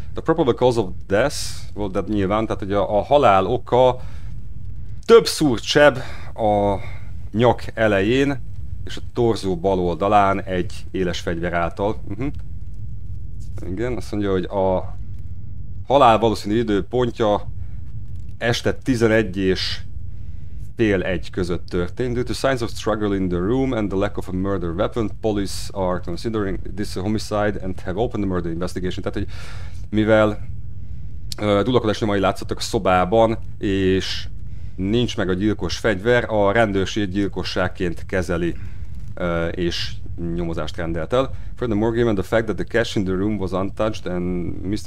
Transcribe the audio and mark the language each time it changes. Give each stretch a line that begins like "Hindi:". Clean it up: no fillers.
Hungarian: The probable cause of death volt, de nyilván, tehát hogy a halál oka több szúrt seb a nyak elején és a torzó bal oldalán egy éles fegyver által. Uh-huh. Igen, azt mondja, hogy a halál valószínű időpontja este 11 és fél egy között történt.
English: Due to signs of struggle in the room and the lack of a murder weapon, police are considering this a homicide and have opened the murder investigation.
Hungarian: Tehát, hogy mivel dulakodás nyomai látszottak a szobában, és nincs meg a gyilkos fegyver, a rendőrség gyilkosságként kezeli és nyomozást rendelt el.
English: Furthermore, given the fact that the cash in the room was untouched and Mr.